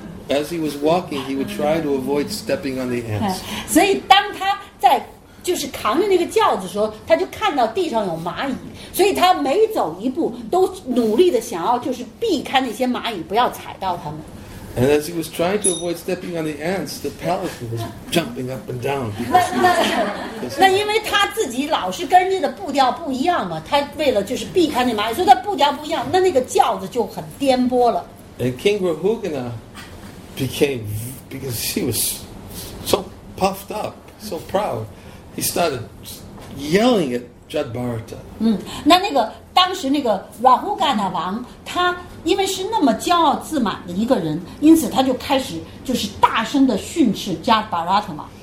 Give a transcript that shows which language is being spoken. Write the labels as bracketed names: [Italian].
[English] As he was walking, he would try to avoid stepping on the ants. [Chinese] 所以当他在就是扛着那个轿子的时候，他就看到地上有蚂蚁，所以他每走一步都努力的想要就是避开那些蚂蚁，不要踩到他们。 [English] And as he was trying to avoid stepping on the ants, the palanquin was jumping up and down. [Chinese] 那因为他自己老是跟人家的步调不一样嘛，他为了就是避开那蚂蚁，所以他步调不一样，那个轿子就很颠簸了。 [English] And King Rahugana became, because he was so puffed up, so proud, he started yelling at Jad Bharata. [Chinese] 那个当时那个 Rahugana 王，他因为是那么骄傲自满的一个人，因此他就开始就是大声的训斥 Jad Bharata 嘛。